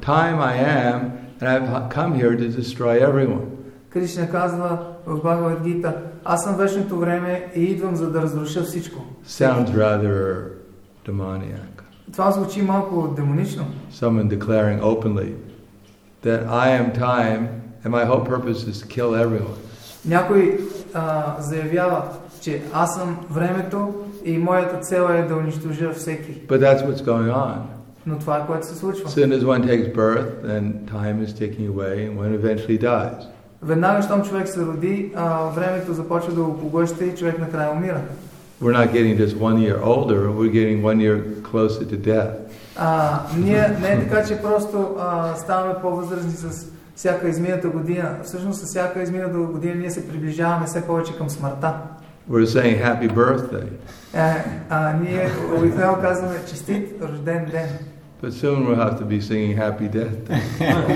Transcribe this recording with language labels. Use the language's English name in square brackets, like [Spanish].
[English] Time I am, and I've come here to destroy everyone. [Bulgarian] Кришна казва в Бхагавад Гита, аз съм вечното време и идвам за да разруша всичко. [English] Sounds rather demoniac. [Bulgarian] Това звучи малко демонично. [English] Someone declaring openly that I am time and my whole purpose is to kill everyone. [Bulgarian] Някой заявява, че аз съм времето и моята цел е да унищожа всеки. [English] But that's what's going on. [Bulgarian] Но това е което се случва. [English] As soon as one takes birth, then time is ticking away and one eventually dies. [Bulgarian] Веднага, щом човек се роди, времето започва да го поглъща и човек накрая умира. [English] We're not getting just 1 year older, we're getting 1 year closer to death. [Bulgarian] Ние не е така, че просто ставаме по-възрастни с всяка измината година. Всъщност, с всяка измината година ние се приближаваме все повече към смъртта. [English] We're saying happy birthday. [Bulgarian] Ние обикновено казваме честит рожден ден. [English] But soon we'll have to be singing happy death day.